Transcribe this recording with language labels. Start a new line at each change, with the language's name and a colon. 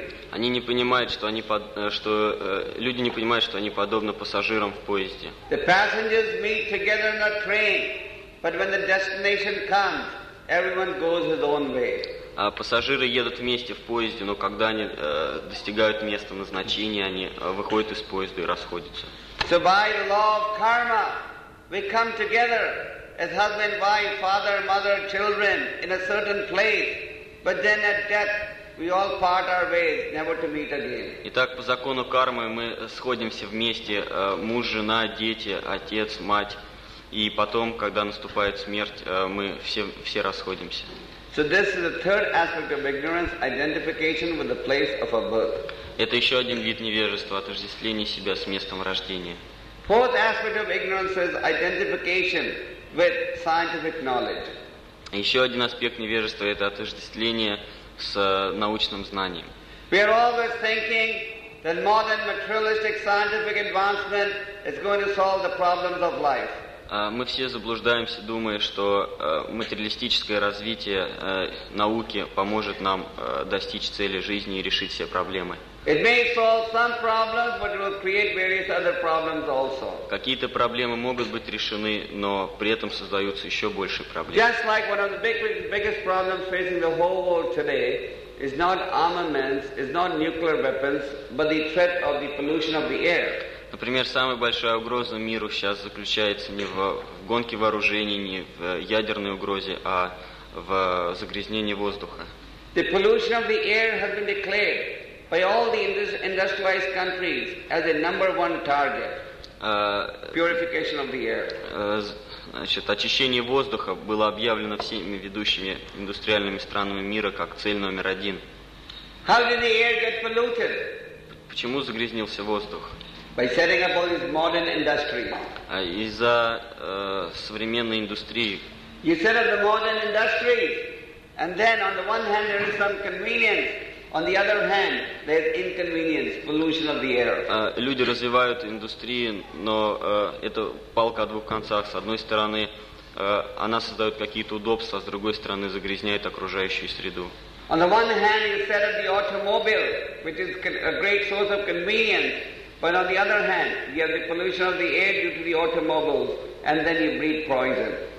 Russian: Они не понимают, что они люди не понимают, что они подобны пассажирам в поезде.
English: The passengers meet together in a train, but when the destination comes, everyone goes his own way.
Russian: А пассажиры едут вместе в поезде, но когда они достигают места назначения, они выходят из поезда и расходятся.
English: So by the law of karma, we come together as husband, wife, father, mother, children in a certain place, but then at death we all part our ways, never to meet again.
Russian: Итак, по закону кармы мы сходимся вместе, муж, жена, дети, отец, мать, и потом, когда наступает смерть, мы все расходимся.
English: So this is the third aspect of ignorance, identification with the place of our birth.
Russian: Это еще один вид невежества, отождествление себя с местом рождения.
English: Fourth aspect of ignorance is identification with scientific knowledge.
Russian: Еще один аспект невежества это отождествление с научным знанием.
English: We are always thinking that modern materialistic scientific advancement is going to solve the problems of life.
Russian: Мы все заблуждаемся, думая, что материалистическое развитие науки поможет нам достичь цели жизни и решить все проблемы.
English: It may solve some problems, but it will create various other problems also.
Russian: Какие-то проблемы могут быть решены, но при этом создаются еще больше проблем.
English: Just like one of the biggest problems facing the whole world today is not armaments, is not nuclear weapons, but the threat of the pollution of the air.
Russian: Например, самая большая угроза миру сейчас заключается не в гонке вооружений, не в ядерной угрозе, а в загрязнении воздуха.
English: The pollution of the air has been declared by all the industrialized countries as a number one target. Purification of the air.
Russian: Значит, очищение воздуха было объявлено всеми ведущими индустриальными странами мира как цель номер один.
English: How did the air get polluted?
Russian: Почему загрязнился воздух?
English: By setting up all these modern industries.
Russian: Из-за современной индустрии.
English: You set up the modern industries, and then on the one hand there is some convenience, on the other hand there is inconvenience, pollution of the air.
Russian: Люди развивают индустрии, но это палка о двух концах. С одной стороны, она создает какие-то удобства, а с другой стороны, загрязняет окружающую среду.
English: On the one hand, you set up the automobile, which is a great source of convenience. But on the other hand, you have the pollution of the air due to the automobiles, and then you breed poison.